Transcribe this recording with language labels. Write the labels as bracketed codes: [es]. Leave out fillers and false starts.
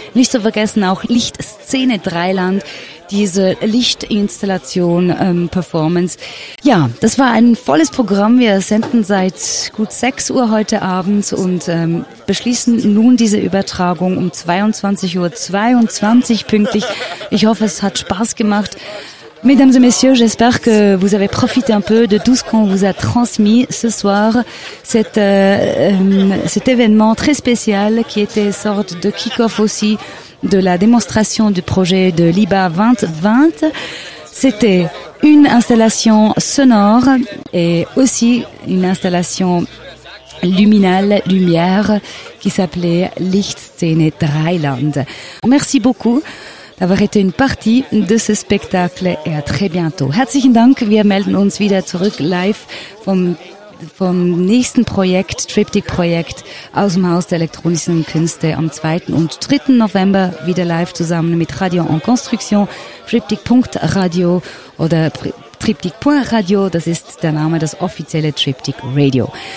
[de] Nicht zu vergessen auch Lichtszene Dreiland, diese Lichtinstallation Performance. Ja, das war ein volles Programm. Wir senden seit gut 6 Uhr heute Abend und beschließen nun diese Übertragung um 22.22 Uhr pünktlich. Ich hoffe, es hat Spaß gemacht. [fr] Mesdames et Messieurs, j'espère que vous avez profité un peu de tout ce qu'on vous a transmis ce soir. Cet événement très spécial qui était sorte de kick-off aussi de la démonstration du projet de l'IBA 2020. C'était une installation sonore et aussi une installation luminale, lumière, qui s'appelait Lichtszene Dreiland. Merci beaucoup d'avoir été une partie de ce spectacle et à très bientôt. [de] Herzlichen Dank, wir melden uns wieder zurück live vom nächsten Projekt, Triptych-Projekt aus dem Haus der elektronischen Künste am 2. und 3. November wieder live zusammen mit Radio en Construction, Triptych.radio oder Triptych.radio, das ist der Name, das offizielle Triptych-Radio.